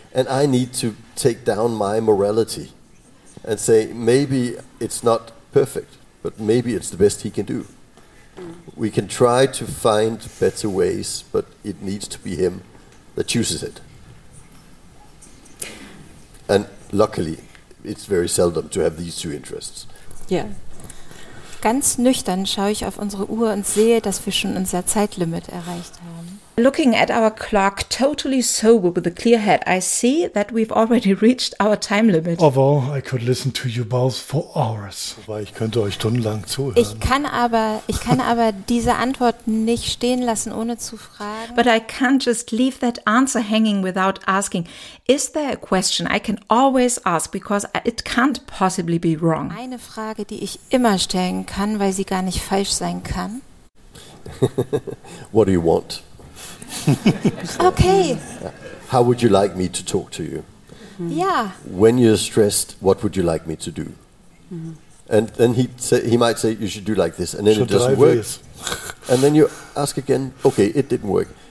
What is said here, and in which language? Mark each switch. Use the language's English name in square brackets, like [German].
[English] And I need to take down my morality and say, maybe it's not perfect, but maybe it's the best he can do. We can try to find better ways, but it needs to be him that chooses it. And luckily, it's very seldom to have these two interests. Yeah. [German] Ganz nüchtern schaue ich auf unsere Uhr und sehe, dass wir schon unser Zeitlimit erreicht haben. [English] Looking at our clock, totally sober with a clear head, I see that we've already reached our time limit. Although I could listen to you both for hours. [German] Weil ich könnte euch stundenlang zuhören. Ich kann aber diese Antwort nicht stehen lassen, ohne zu fragen. [English] But I can't just leave that answer hanging without asking. Is there a question I can always ask, because it can't possibly be wrong? [German] Eine Frage, die ich immer stellen kann, weil sie gar nicht falsch sein kann. [English] What do you want? Okay. How would you like me to talk to you? Mm-hmm. Yeah. When you're stressed, what would you like me to do? Mm-hmm. And then he might say, you should do like this, and then should it doesn't work. And then you ask again, okay, it didn't work.